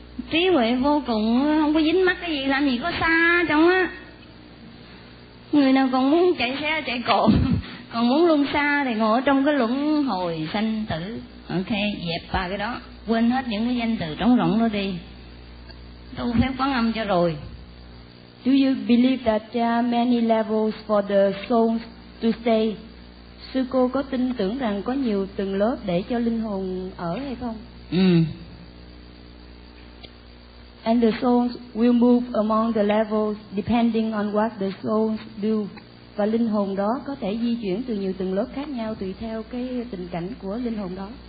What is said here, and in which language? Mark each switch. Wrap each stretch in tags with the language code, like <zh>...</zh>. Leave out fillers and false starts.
<vi>Trí huệ vô cùng, không có dính mắc cái gì, làm gì có xa trong á. Người nào còn muốn chạy xe chạy cộ, còn muốn luân xa thì ngồi ở trong cái luân hồi sanh tử, ok, dẹp ba cái đó, quên hết những cái danh từ trống rỗng đó đi. Tu phép Quán Âm cho rồi.</vi> <en>Do you believe that there are many levels for the souls to stay?</en> <vi>Sư cô có tin tưởng rằng có nhiều tầng lớp để cho linh hồn ở hay không?</vi> <en>And the souls will move among the levels depending on what the souls do.</en> <vi>Và linh hồn đó có thể di chuyển từ nhiều tầng lớp khác nhau tùy theo cái tình cảnh của linh hồn đó.</vi>